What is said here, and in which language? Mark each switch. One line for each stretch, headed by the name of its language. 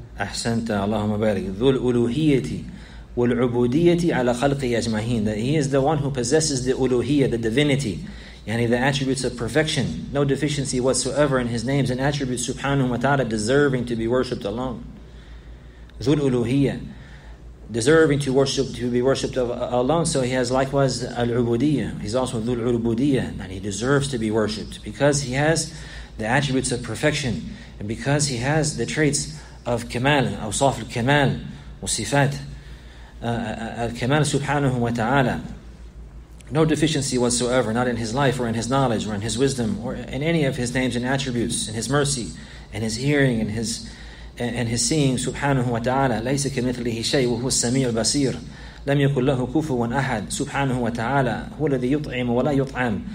Arabic: أحسنت اللهم بارك ذو الألوهية والعبودية على خلقه أجمعين.
English: That he is the one who possesses the ألوهية, the divinity, يعني the attributes of perfection, no deficiency whatsoever in his names and attributes سبحانه وتعالى, deserving to be worshipped alone. ذو الألوهية, deserving to worship, to be worshipped of alone. So he has likewise العبودية, he's also ذو العبودية, and he deserves to be worshipped because he has the attributes of perfection and because he has the traits of كمال, أوصاف الكمال وصفات الكمال سبحانه وتعالى. No deficiency whatsoever, not in his life or in his knowledge or in his wisdom or in any of his names and attributes, in his mercy and his hearing and his seeing.
Arabic: سبحانه وتعالى ليس كمثله شيء وهو السميع البصير لم يكن له كفوا أحد. سبحانه وتعالى هو الذي يطعم ولا يطعم.